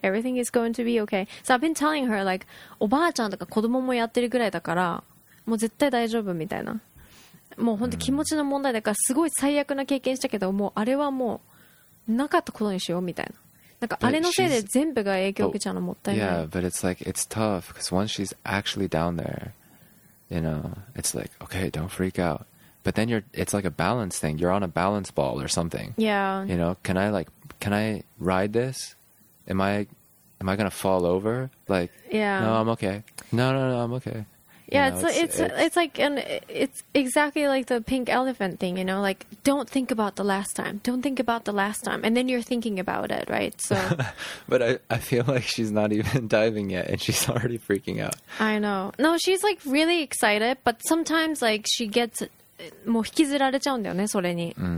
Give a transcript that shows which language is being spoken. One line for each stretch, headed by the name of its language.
English: Everything is going to be okay. So I've been telling her like,
Japanese: おばあちゃんとか子供もやってるぐらいだから、もう絶対大丈夫みたいな。もう本当気持ちの問題だからすごい最悪な経験したけどもうあれはもうなかったことにしようみたいななんかあれのせいで全部が影響受けちゃうのもったいない
English: Yeah, but it's like, it's tough because once she's actually down there you know, it's like, okay, don't freak out but then it's like a balance thing you're on a balance ball or something Yeah You know, can I ride this? Am I gonna fall over? Like, yeah. No, I'm okay No, I'm okay Yeah, it's exactly like the pink elephant thing, you know? Like, don't think about the last time. Don't think about the last time. And then you're thinking about it, right? So, But I feel like she's not even diving yet and she's already freaking out. I know. No, she's like really excited, but sometimes like she gets...
Japanese: もう引きずられちゃうんだよね、それに。